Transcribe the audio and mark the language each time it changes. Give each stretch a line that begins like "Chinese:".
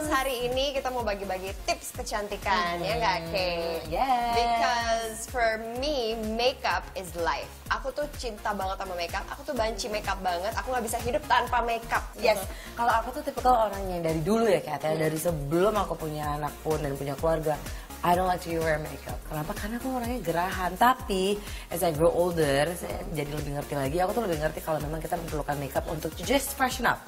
Indonesian: hari ini kita mau bagi-bagi tips kecantikan, ya gak, Kay?
English: Yes. Because for me, makeup is life.
Indonesian: Aku tuh cinta banget sama makeup, aku tuh banci makeup banget, aku gak bisa hidup tanpa makeup. Yes, kalau aku tuh tipikal orang yang dari dulu ya, Kat, ya, dari sebelum aku punya anak pun dan punya keluarga,
English: I don't like to wear makeup.
Indonesian: Kenapa? Karena aku orangnya gerahan. Tapi
English: as I grow older,
Indonesian: saya jadi lebih ngerti lagi. Aku tuh lebih ngerti kalau memang kita memerlukan makeup untuk
English: just freshen up.